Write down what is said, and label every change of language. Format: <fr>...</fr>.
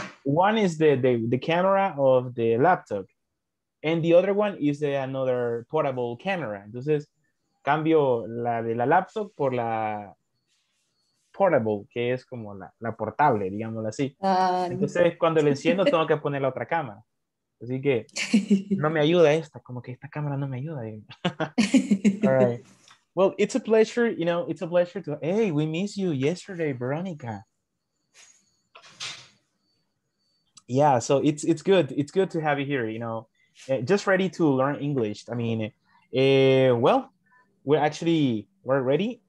<en>One is the camera of the laptop, and the other one is another portable camera.</en> <es>Entonces, cambio la de la laptop por la portable, que es como la portable, digámoslo así. Entonces, cuando la enciendo, tengo que poner la otra cámara. Así que no me ayuda esta, como que esta cámara no me ayuda.</es> <en>All right. Well, it's a pleasure, you know, it's a pleasure to... Hey, we miss you yesterday, Veronica. Yeah, so it's good. It's good to have you here, you know. Just ready to learn English. I mean, we're ready.</en>